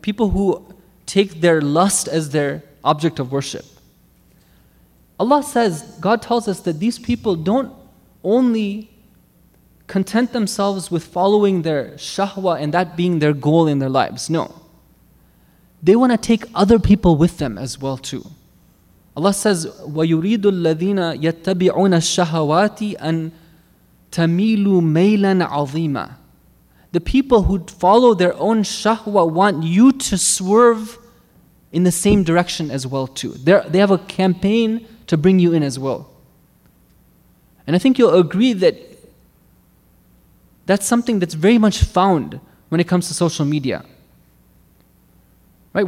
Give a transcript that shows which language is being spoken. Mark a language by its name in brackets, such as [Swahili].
[English] People who take their lust as their object of worship. Allah says, God tells us that these people don't only content themselves with following their shahwa and that being their goal in their lives. No. They want to take other people with them as well too. Allah says, [Arabic] وَيُرِيدُ الَّذِينَ يَتَّبِعُونَ الشَّهَوَاتِ أَن تَمِيلُوا مَيْلًا عَظِيمًا. [English] The people who follow their own shahwa want you to swerve in the same direction as well too. They have a campaign to bring you in as well. And I think you'll agree that that's something that's very much found when it comes to social media. Right?